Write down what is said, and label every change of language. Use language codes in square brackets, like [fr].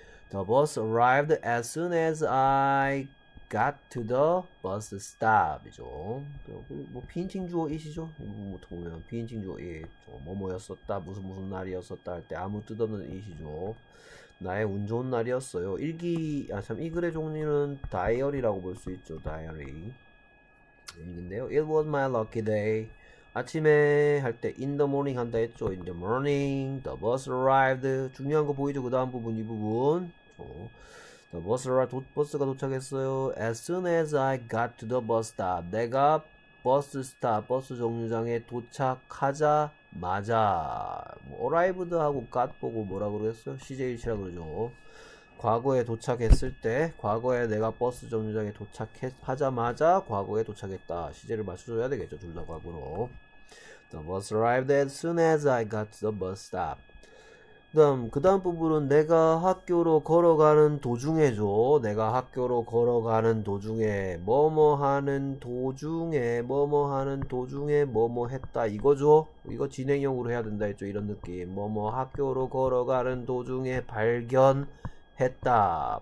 [en] The bus arrived as soon as I got to the bus stop이죠. [ko] 뭐 비인칭 주어이시죠? 보통 보면 비인칭 주어이. 뭐뭐였었다, 무슨 무슨 날이었었다 할때 아무 뜻 없는 이시죠. 나의 운 좋은 날이었어요. 일기, 아참, 이 글의 종류는 다이어리라고 볼수 있죠. 다이어리 일기인데요. [en] It was my lucky day. [ko] 아침에 할때 [en] in the morning [ko] 한다 했죠. [en] In the morning, the bus arrived. [ko] 중요한 거 보이죠? 그 다음 부분, 이 부분. [en] The bus [ko] 버스가 도착했어요. [en] As soon as I got to the bus stop, [ko] 내가 버스 스탑, 버스 정류장에 도착하자마자 어라이브드 하고 갓 보고 뭐라 그러겠어요? CJH라 그러죠. 과거에 도착했을 때, 과거에 내가 버스 정류장에 도착하자마자 과거에 도착했다. 시제를 맞춰줘야 되겠죠. 둘다 과거로. [en] The bus arrived as soon as I got to the bus stop. [ko] 그 다음 부분은 내가 학교로 걸어가는 도중에죠. 내가 학교로 걸어가는 도중에 뭐뭐 하는 도중에 뭐뭐 하는 도중에 뭐뭐 했다 이거죠. 이거 진행형으로 해야 된다 했죠. 이런 느낌. 뭐뭐 학교로 걸어가는 도중에 발견했다.